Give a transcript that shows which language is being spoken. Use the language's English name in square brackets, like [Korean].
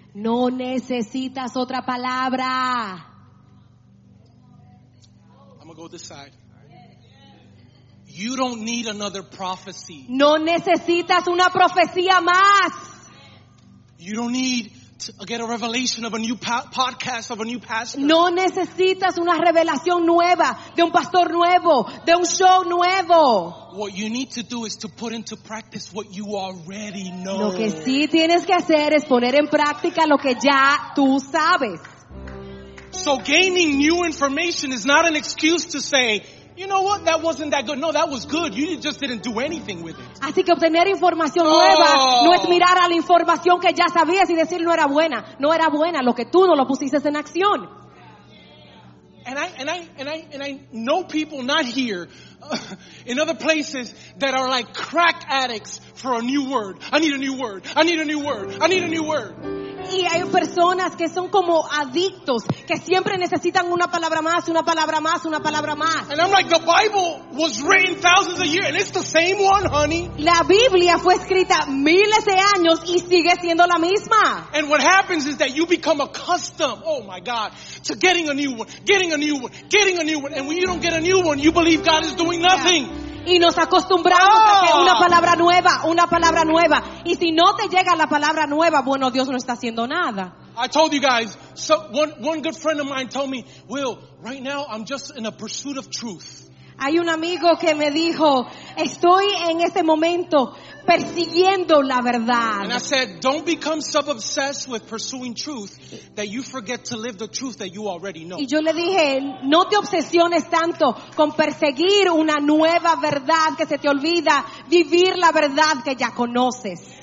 [Spanish] No necesitas otra palabra. [English] I'm gonna go this side. You don't need another prophecy. [Spanish] No necesitas una profecía más. [English] You don't need to get a revelation of a new podcast of a new pastor. [Spanish] No necesitas una revelación nueva de un pastor nuevo, de un show nuevo. [English] What you need to do is to put into practice what you already know. [Spanish] Lo que sí tienes que hacer es poner en práctica lo que ya tú sabes. [English] So gaining new information is not an excuse to say, you know what? That wasn't that good. No, that was good. You just didn't do anything with it. [Spanish] Así que obtener información nueva no es mirar a la información que ya sabías y decir no era buena. No era buena lo que tú no lo pusiste en acción. [English] And I know people not here, in other places that are like crack addicts for a new word. I need a new word. I need a new word. I need a new word. [Spanish] Y hay personas que son como adictos, que siempre necesitan una palabra más, una palabra más, una palabra más. [English] And I'm like, the Bible was written thousands of years and it's the same one, honey. [Spanish] La Biblia fue escrita miles de años y sigue siendo la misma. [English] And what happens is that you become accustomed, oh my God, to getting a new one, getting a new one, getting a new one. And when you don't get a new one, you believe God is doing nothing. Yeah. [Spanish] Y nos acostumbramos a que una palabra nueva, una palabra nueva. Y si no te llega la palabra nueva, bueno, Dios no está haciendo nada. [English] I told you guys, so one good friend of mine told me, Will, right now I'm just in a pursuit of truth. [Spanish] Hay un amigo que me dijo, estoy en este momento persiguiendo la verdad. [English] And I said, don't become so obsessed with pursuing truth that you forget to live the truth that you already know. [Spanish] Y yo le dije, no te obsesiones tanto con perseguir una nueva verdad que se te olvida vivir la verdad que ya conoces.